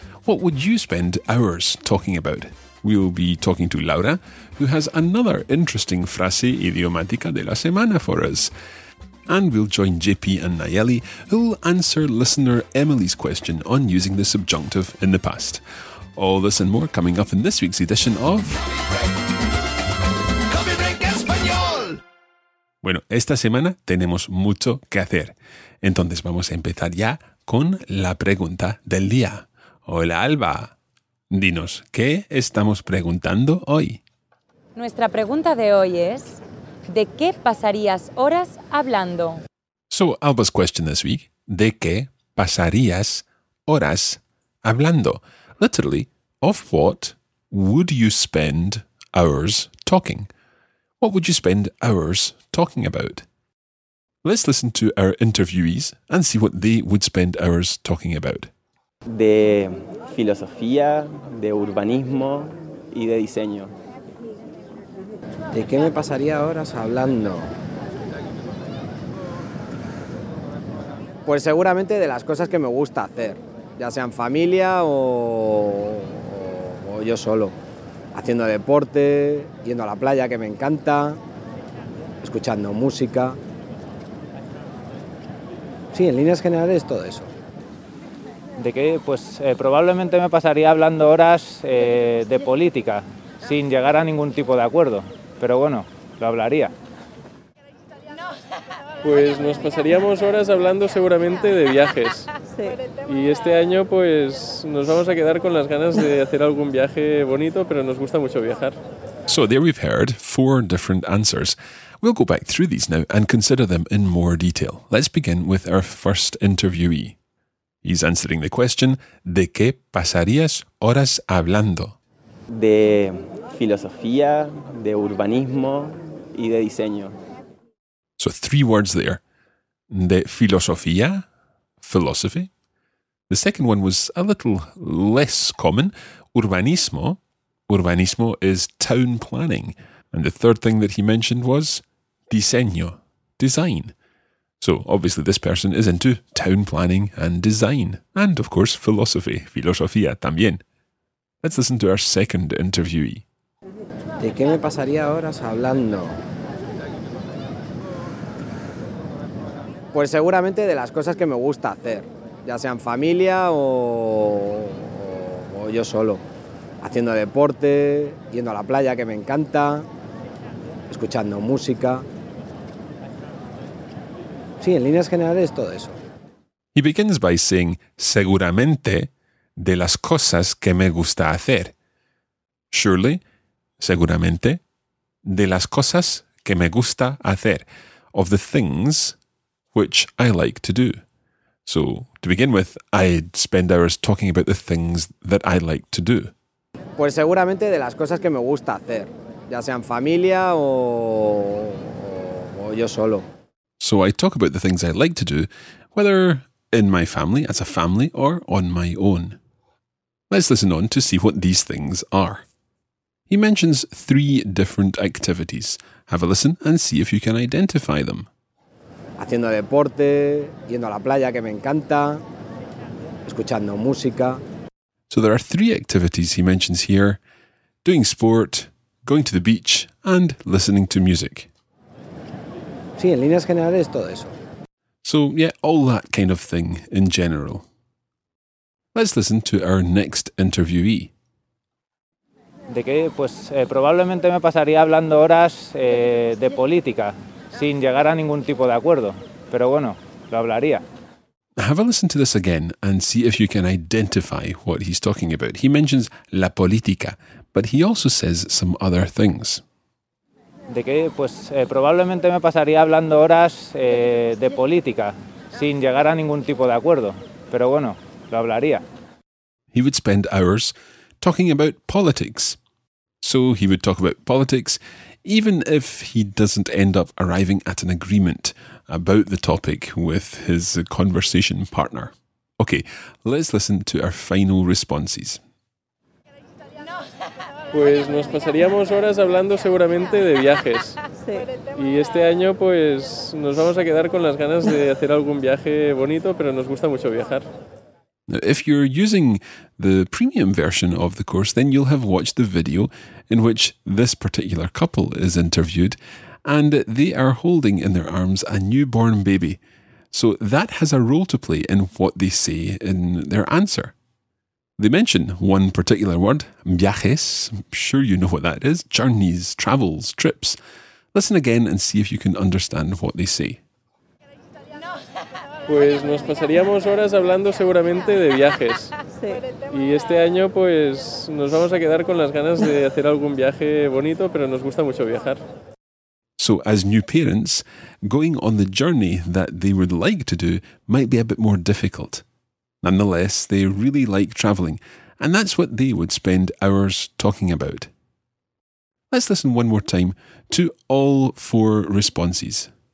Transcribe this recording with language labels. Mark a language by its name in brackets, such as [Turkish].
[English] What would you spend hours talking about? We will be talking to Laura, who has another interesting [Spanish] frase idiomática de la semana [English] for us. And we'll join JP and Nayeli, who'll answer listener Emily's question on using the subjunctive in the past. All this and more coming up in this week's edition of... Coffee Break Español! [Spanish] Bueno, esta semana tenemos mucho que hacer. Entonces vamos a empezar ya con la pregunta del día. Hola, Alba. Dinos, ¿qué estamos preguntando hoy? Nuestra pregunta de hoy es, ¿de qué pasarías horas hablando? [English] So, Alba's question this week, [Spanish] ¿de qué pasarías horas hablando? [English] Literally, ¿of what would you spend hours talking? What would you spend hours talking about? Let's listen to our interviewees and see what they would spend hours talking about. [Spanish] De filosofía, de urbanismo y de diseño. ¿De qué me pasaría horas hablando? Pues seguramente de las cosas que me gusta hacer, ya sean familia o yo solo. Haciendo deporte, yendo a la playa, que me encanta, escuchando música. Sí, en líneas generales todo eso. ¿De qué? Pues probablemente me pasaría hablando horas de política, sin llegar a ningún tipo de acuerdo. Pero bueno, lo hablaría. Pues nos pasaríamos horas hablando seguramente de viajes. Sí. Y este año pues nos vamos a quedar con las ganas de hacer algún viaje bonito, pero nos gusta mucho viajar. [English] So there we've heard four different answers. We'll go back through these now and consider them in more detail. Let's begin with our first interviewee. He's answering the question, [Spanish] ¿de qué pasarías horas hablando? De filosofía, de urbanismo y de diseño. [English] So three words there. De filosofía, philosophy. The second one was a little less common. Urbanismo. Urbanismo is town planning. And the third thing that he mentioned was diseño, design. So, obviously, this person is into town planning and design. And, of course, philosophy. [Spanish] Filosofía también. [English] Let's listen to our second interviewee. [Spanish] ¿De qué me pasaría horas hablando? Pues seguramente de las cosas que me gusta hacer. Ya sean familia o yo solo. Haciendo deporte, yendo a la playa, que me encanta. Escuchando música. Sí, en líneas generales todo eso. [English] He begins by saying, [Spanish] seguramente, de las cosas que me gusta hacer. Surely, seguramente, de las cosas que me gusta hacer. [English] Of the things which I like to do. So, to begin with, I'd spend hours talking about the things that I like to do. [Spanish] Pues seguramente de las cosas que me gusta hacer. Ya sean familia o yo solo. [English] So I talk about the things I like to do, whether in my family, as a family, or on my own. Let's listen on to see what these things are. He mentions three different activities. Have a listen and see if you can identify them. [Spanish] Haciendo deporte, yendo a la playa que me encanta, escuchando música. [English] So there are three activities he mentions here: doing sport, going to the beach, and listening to music. [Spanish] Sí, en líneas generales todo eso. [English] So, yeah, all that kind of thing in general. Let's listen to our next interviewee. [Spanish] ¿De qué? Pues probablemente me pasaría hablando horas de política, sin llegar a ningún tipo de acuerdo. Pero bueno, lo hablaría. [English] Have a listen to this again and see if you can identify what he's talking about. He mentions la política, but he also says some other things. [Spanish] ¿De qué? Pues probablemente me pasaría hablando horas de política, sin llegar a ningún tipo de acuerdo. Pero bueno, lo hablaría. [English] He would spend hours talking about politics. So he would talk about politics, even if he doesn't end up arriving at an agreement about the topic with his conversation partner. Okay, let's listen to our final responses. [Spanish] Pues nos pasaríamos horas hablando seguramente de viajes. Sí. Y este año pues nos vamos a quedar con las ganas de hacer algún viaje bonito, pero nos gusta mucho viajar. [English] Now, if you're using the premium version of the course, then you'll have watched the video in which this particular couple is interviewed, and they are holding in their arms a newborn baby. So that has a role to play in what they say in their answer. They mention one particular word, viajes. I'm sure you know what that is. Journeys, travels, trips. Listen again and see if you can understand what they say. [Spanish] Pues nos pasaríamos horas hablando seguramente de viajes. Sí. Y este año pues nos vamos a quedar con las ganas de hacer algún viaje bonito, pero nos gusta mucho viajar. [English] So as new parents, going on the journey that they would like to do might be a bit more difficult. Nonetheless, they really like traveling, and that's what they would spend hours talking about. Let's listen one more time to all four responses.